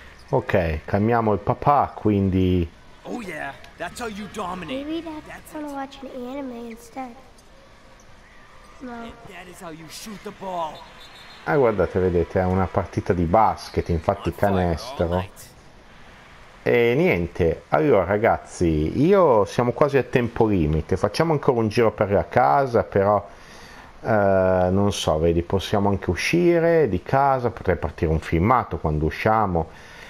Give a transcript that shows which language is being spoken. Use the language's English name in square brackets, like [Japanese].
[Italian] Ok, chiamiamo il papà, quindi... [English] Oh yeah, that's how you dominate. Maybe that's how to watch an anime instead. No. That is how you shoot the ball. [Italian] Ah, guardate, vedete, è una partita di basket, infatti canestro. E niente, allora ragazzi, io siamo quasi a tempo limite, facciamo ancora un giro per la casa, però... non so, vedi, possiamo anche uscire di casa, potrei partire un filmato quando usciamo...